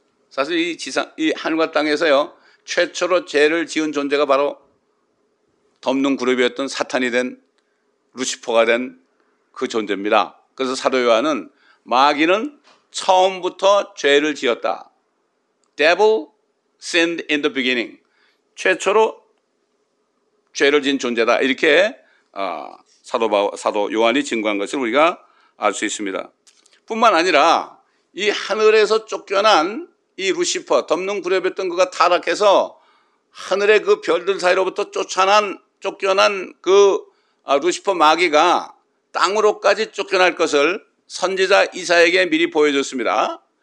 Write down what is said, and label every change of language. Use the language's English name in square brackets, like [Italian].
[Korean] 사실 이 하늘과 땅에서요 최초로 죄를 지은 존재가 바로 덮는 그룹이었던 사탄이 된, 루시퍼가 된 그 존재입니다. 그래서 사도 요한은 마귀는 처음부터 죄를 지었다. [English] Devil sinned in the beginning. [Korean] 최초로 죄를 지은 존재다. 이렇게 사도 요한이 증거한 것을 우리가 알 수 있습니다. 뿐만 아니라 이 하늘에서 쫓겨난 이 루시퍼, 덮는 그룹이었던 그가 타락해서 하늘의 그 별들 사이로부터 쫓겨난 그 루시퍼 마귀가 땅으로까지 쫓겨날 것을 선지자 이사에게 미리 보여줬습니다.